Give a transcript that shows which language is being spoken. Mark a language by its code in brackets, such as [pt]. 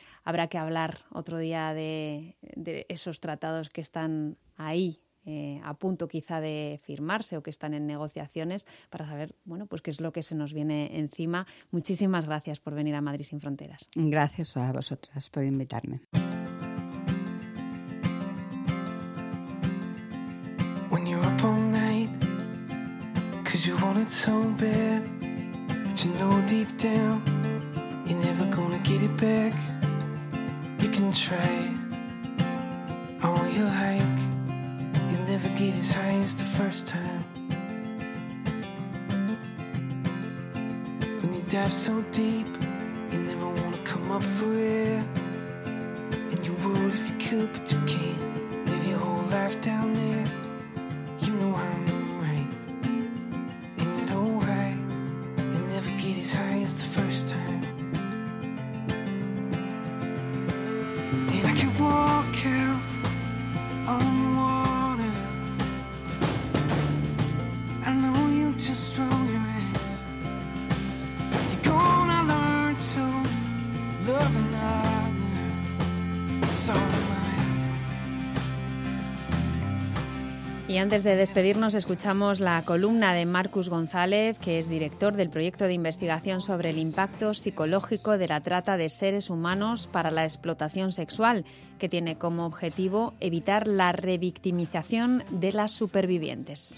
[es] Habrá que hablar otro día de esos tratados que están ahí, a punto quizá de firmarse o que están en negociaciones, para saber, bueno, pues qué es lo que se nos viene encima. Muchísimas gracias por venir a Madrid sin Fronteras. Gracias a vosotras por invitarme. [en] When you're up all night, 'cause you want it so bad, but you know deep down, you're never gonna get it back. You can try all you like, you'll never get as high as the first time. When you dive so deep, you never wanna come up for air. And you would if you could, but you can't live your whole life down there. You know I'm right, ain't it alright? You'll never get as high as the first time. Walk out on the water. I know you just roll your eyes. You're gonna learn to love another. So. [es] Y antes de despedirnos, escuchamos la columna de Marcus González, que es director del proyecto de investigación sobre el impacto psicológico de la trata de seres humanos para la explotación sexual, que tiene como objetivo evitar la revictimización de las supervivientes.